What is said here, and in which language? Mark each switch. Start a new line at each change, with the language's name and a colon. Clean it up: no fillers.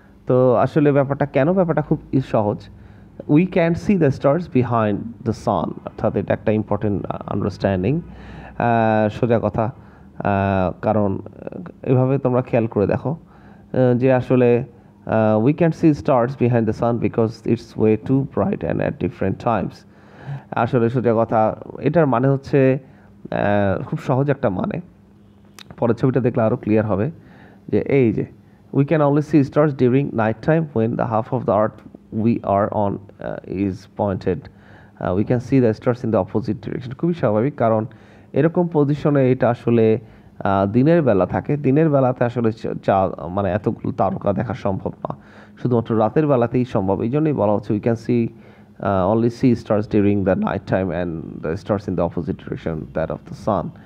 Bangla: তো আসলে ব্যাপারটা কেন, ব্যাপারটা খুব সহজ,
English: we can see the stars behind the sun,
Bangla: অর্থাৎ এটা একটা
English: important understanding,
Bangla: সোজা কথা, কারণ এভাবে তোমরা খেয়াল করে দেখো যে আসলে
English: we can see stars behind the sun because it's way too bright and at different times.
Bangla: আসলে সত্যি কথা, এটার মানে হচ্ছে খুব সহজ একটা মানে, পরের ছবিটা দেখলে আরও ক্লিয়ার হবে, যে এই যে
English: We can only see stars during nighttime when the half of the Earth we are on is pointed. We can see the stars in the opposite direction.
Bangla: খুবই স্বাভাবিক কারণ এরকম পজিশনে এটা আসলে দিনের বেলা থাকে, দিনের বেলাতে আসলে চা মানে এতগুলো তারকা দেখা সম্ভব না, শুধুমাত্র রাতের বেলাতেই সম্ভব। এই জন্যই বলা হচ্ছে
English: We can see only see stars during the night time and the stars in the opposite direction that of the sun.